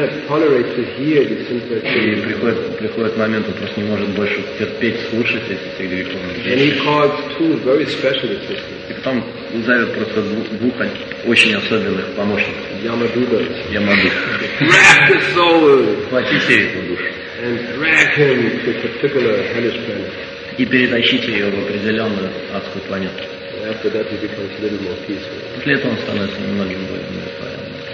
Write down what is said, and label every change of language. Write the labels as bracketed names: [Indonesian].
[Russian] вываливаются. И приходит момент, он просто не может больше терпеть, слушать эти все греховные вещи. И потом зовет просто двух очень особенных помощников. Ямадуга. Хватите его душу. [English] And drag him to a particular hellish planet. [Russian] И перетащите ее в определенную адскую планету. [English] After that he becomes a little more peaceful. [Russian] После этого он становится немного более спокойным.